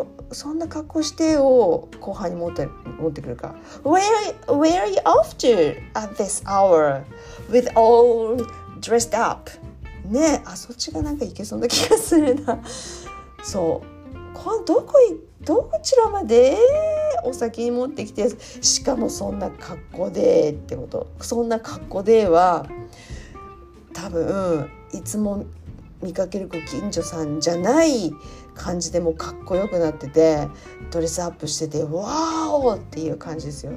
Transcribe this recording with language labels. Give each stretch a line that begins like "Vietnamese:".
Japanese: そんな格好してを後半に持ってくるか。
English: Where are you off to at this hour with all dressed up?
Japanese: ね、あ、そっちがなんかいけそうな気がするな。そう、どちらまでお酒に持ってきて、しかもそんな格好でってこと。そんな格好では多分、いつも見かけるご近所さんじゃない感じでもかっこよくなってて、ドレスアップしてて、わーおーっていう感じですよ。